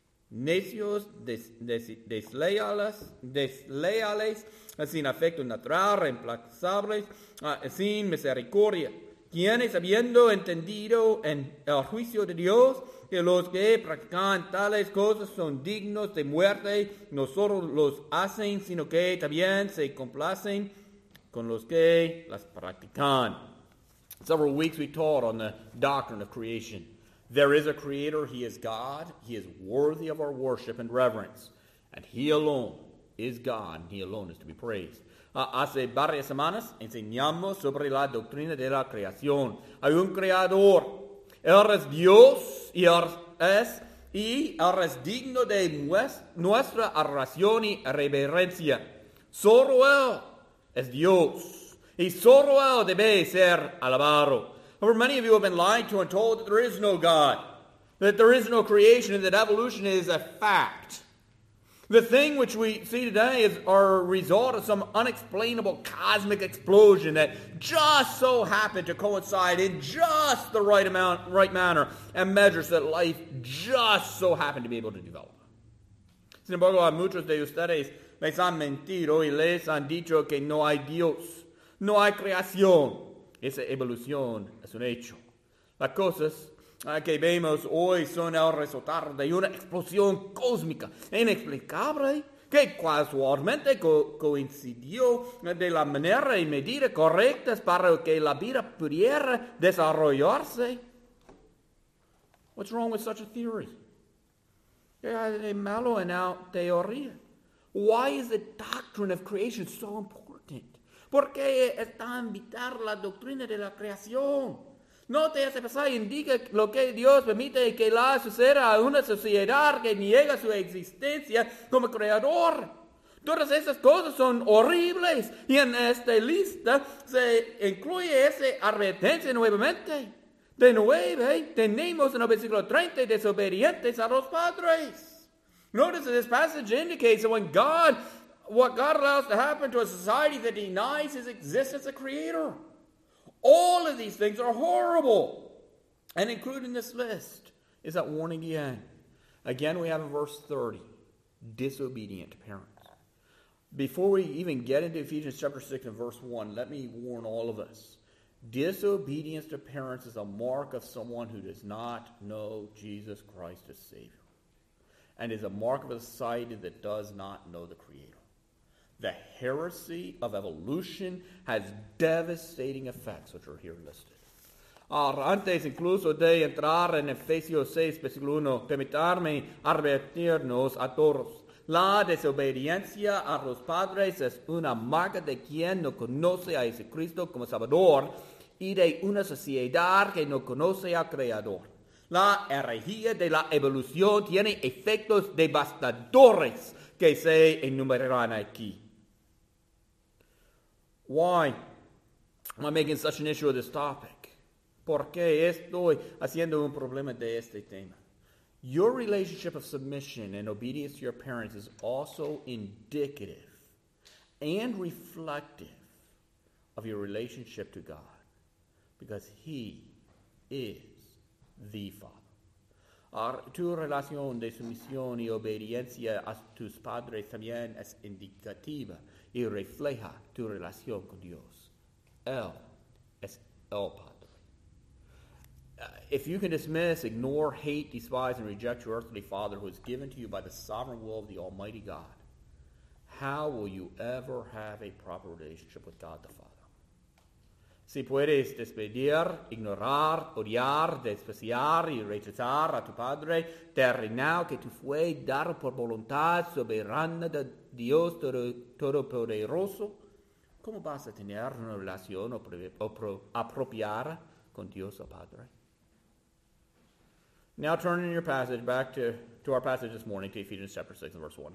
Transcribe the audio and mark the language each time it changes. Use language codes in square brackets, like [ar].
[es] necios, desleales, sin afecto natural, reemplazables, sin misericordia, quienes habiendo entendido en el juicio de Dios que los que practican tales cosas son dignos de muerte, no solo los hacen, sino que también se complacen con los que las practican. [en] Several weeks we taught on the doctrine of creation. There is a creator, he is God, he is worthy of our worship and reverence, and he alone is God, and he alone is to be praised. [es] Hace varias semanas enseñamos sobre la doctrina de la creación. Hay un creador, él es Dios y él es digno de nuestra adoración y reverencia. Solo él es Dios, y solo él debe ser alabado. [en] However, many of you have been lied to and told that there is no God, that there is no creation, and that evolution is a fact. The thing which we see today is a result of some unexplainable cosmic explosion that just so happened to coincide in just the right amount, right manner, and measures that life just so happened to be able to develop. [es] Sin embargo, a muchos de ustedes les han mentido y les han dicho que no hay Dios, no hay creación. Esa evolución es un hecho. Las cosas que vemos hoy son el resultado de una explosión cósmica inexplicable que casualmente coincidió de la manera y medida correctas para que la vida pudiera desarrollarse. [en] What's wrong with such a theory? [es] ¿Qué hay de malo en la teoría? [en] Why is the doctrine of creation so important? [es] ¿Por qué es tan vital la doctrina de la creación? Note ese pasaje, indica lo que Dios permite que la suceda a una sociedad que niega su existencia como creador. Todas esas cosas son horribles y en esta lista se incluye esa advertencia nuevamente. De nuevo, tenemos en el versículo 30 desobedientes a los padres. [en] Notice this passage indicates that what God allows to happen to a society that denies his existence as a creator. All of these things are horrible. And including this list is that warning again. Again, we have in verse 30, disobedient parents. Before we even get into Ephesians chapter 6 and verse 1, let me warn all of us. Disobedience to parents is a mark of someone who does not know Jesus Christ as Savior. And is a mark of a society that does not know the Creator. The heresy of evolution has devastating effects, which are here listed. [es] Ahora, antes incluso de entrar en Efesios 6, versículo 1, permitarme advertirnos a todos. La desobediencia a los padres es una marca de quien no conoce a Jesucristo como Salvador y de una sociedad que no conoce al Creador. La herejía de la evolución tiene efectos devastadores que se enumerarán aquí. [en] Why am I making such an issue of this topic? [es] ¿Por qué estoy haciendo un problema de este tema? [en] Your relationship of submission and obedience to your parents is also indicative and reflective of your relationship to God, because he is the Father. [es] Tu relación de sumisión y obediencia a tus padres también es indicativa y refleja tu relación con Dios. Él es el Padre. [en] If you can dismiss, ignore, hate, despise, and reject your earthly Father who is given to you by the sovereign will of the Almighty God, how will you ever have a proper relationship with God the Father? [es] Si puedes despedir, ignorar, odiar, despreciar y rechazar a tu Padre terrenal que te fue dado por voluntad soberana de Dios Todopoderoso, ¿cómo vas a tener una relación apropiada con Dios el Padre? [en] Now turn in your passage back to our passage this morning, to Ephesians chapter 6 and verse 1.